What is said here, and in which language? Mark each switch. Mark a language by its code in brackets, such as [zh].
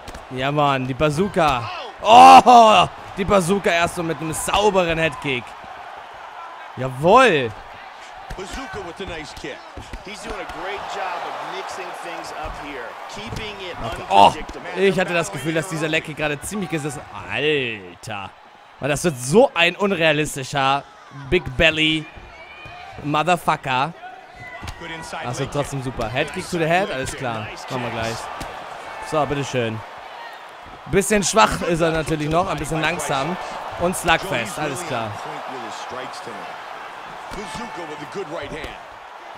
[de] Ja, Mann, die Bazooka. Oh, die Bazooka erst so mit einem sauberen Headkick. Jawohl. [en] Bazooka with a nice kick. He's doing a great job of mixing things up here. Keeping it unpredictable. [de] Oh, ich hatte das Gefühl, dass dieser Lecky gerade ziemlich gesessen. Alter. Weil das wird so ein unrealistischer Big Belly Motherfucker. Achso, trotzdem super. [en] Headkick to the head, [de] alles klar. Kommen wir gleich. So, bitteschön. Bisschen schwach ist er natürlich noch, ein bisschen langsam. Und Slugfest, alles klar. [en] Bazooka with a good right hand.